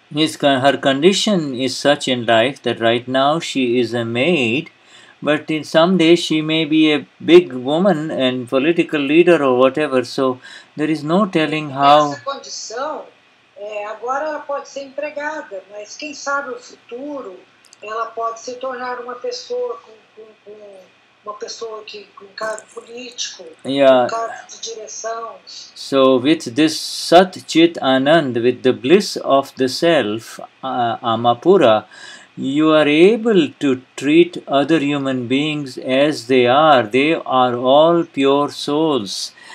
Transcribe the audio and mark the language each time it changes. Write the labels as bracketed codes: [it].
[en] Her condition is such in life that right now she is a maid, but in some days she may be a big woman and political leader or whatever, so there is no telling how. [pt] Nessa condição, agora ela pode ser empregada, mas quem sabe o futuro ela pode se tornar uma pessoa com cargo político, yeah, com cargo de direção. [en] So with this Sat Chit Anand, with the bliss of the self, Amapura, you are able to treat other human beings as they are all pure souls.